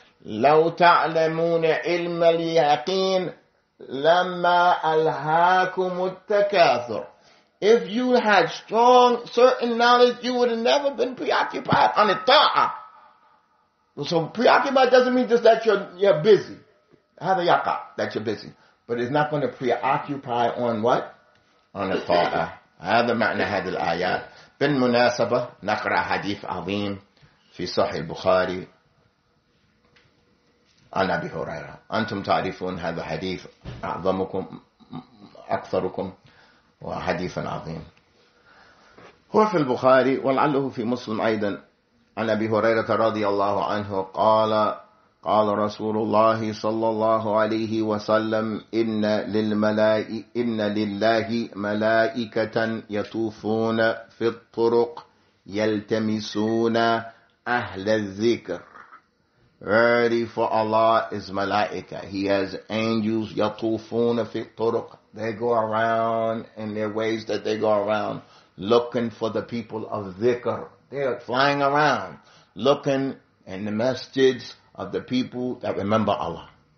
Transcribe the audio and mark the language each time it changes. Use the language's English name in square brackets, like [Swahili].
[Arabic] لو تعلمون علم اليقين لما ألهاكم التكاثر. [English] If you had strong certain knowledge, you would have never been preoccupied on the ta'a. So preoccupied doesn't mean just that you're busy. [Arabic] هذا يقع, [English] that you're busy. But it's not going to preoccupy on what? On the ta'a. [Arabic] هذا معنى هذه الآيات. بالمناسبة نقرأ حديث عظيم في صحيح البخاري عن أبي هريرة. أنتم تعرفون هذا حديث أعظمكم أكثركم وحديث عظيم. هو في البخاري ولعله في مسلم أيضا عن أبي هريرة رضي الله عنه قال قال رسول الله صلى الله عليه وسلم إن لله ملائكة يطوفون في الطرق يلتمسون أهل الذكر. [English] Verily for Allah is malaika. He has angels, [Arabic] yatufuna fi turuq. [English] They go around in their ways that they go around, looking for the people of dhikr. They are flying around looking in the masjids of the people that remember Allah.